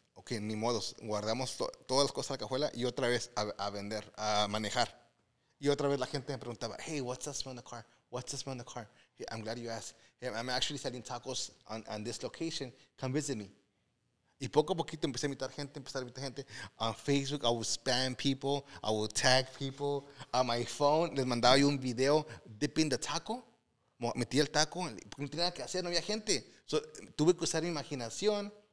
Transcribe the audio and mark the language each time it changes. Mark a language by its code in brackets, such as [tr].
[es] Ok, ni modos, guardamos todas las cosas en la cajuela y otra vez a vender, a manejar. Y otra vez la gente me preguntaba, [en] hey, what's the smell in the car? What's the smell in the car? Hey, I'm glad you asked. Hey, I'm actually selling tacos on this location. Come visit me. [es] Y poco a poquito empecé a invitar gente. [en] On Facebook, I would spam people. I would tag people. On my phone, [es] les mandaba yo un video [en] dipping the taco. [es] Metí el taco, porque no tenía nada que hacer, no había gente. So, tuve que usar mi imaginación.